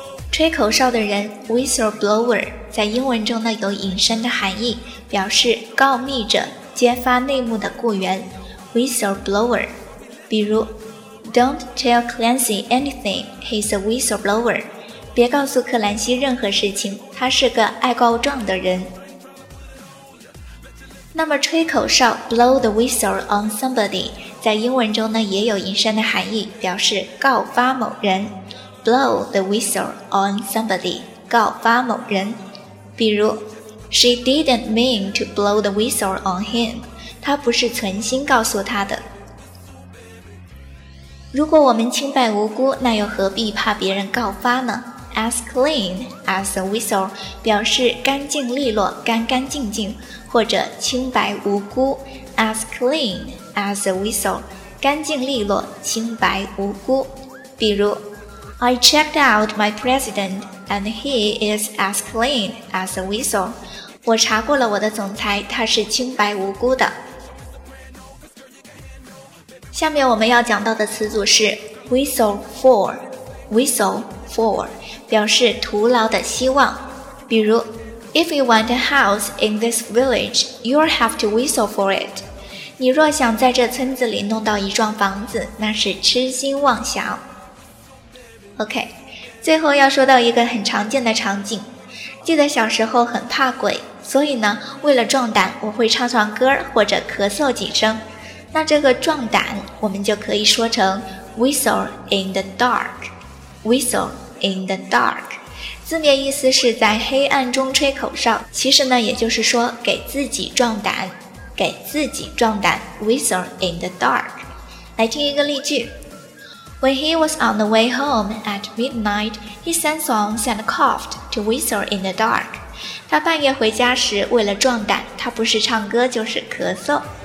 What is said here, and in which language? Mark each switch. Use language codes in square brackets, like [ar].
[zh] 吹口哨的人 [en] whistle blower [zh] 在英文中呢有隐身的含义，表示告密者、揭发内幕的雇员 whistle blower。比如 [en] Don't tell Clancy anything, he's a whistle blower。 [zh] 别告诉克兰西任何事情，他是个爱告状的人。那么吹口哨 [en] blow the whistle on somebody [zh] 在英文中呢也有引申的含义，表示告发某人。 [en] blow the whistle on somebody [zh] 告发某人。比如 [en] she didn't mean to blow the whistle on him， [zh] 她不是存心告诉他的。如果我们清白无辜，那又何必怕别人告发呢？ [en] As clean as a whistle [zh] 表示干净利落，干干净净，或者清白无辜。 [en] As clean as a whistle [zh] 干净利落，清白无辜。比如 [en] I checked out my president and he is as clean as a whistle， [zh] 我查过了我的总裁，他是清白无辜的。下面我们要讲到的词组是 [en] whistle for， [zh] whistle for 表示徒劳的希望。比如 [en] If you want a house in this village, you'll have to whistle for it， [zh] 你若想在这村子里弄到一幢房子，那是痴心妄想。 OK， 最后要说到一个很常见的场景，记得小时候很怕鬼，所以呢为了壮胆，我会唱唱歌或者咳嗽几声。那这个壮胆我们就可以说成 [en] whistle in the dark， [zh] whistle in the dark 字面意思是在黑暗中吹口哨，其实呢也就是说给自己壮胆，给自己壮胆， whistle in the dark。来听一个例句。 [en] When he was on the way home at midnight, he sang songs and coughed to whistle in the dark， [zh] 他半夜回家时为了壮胆，他不是唱歌就是咳嗽。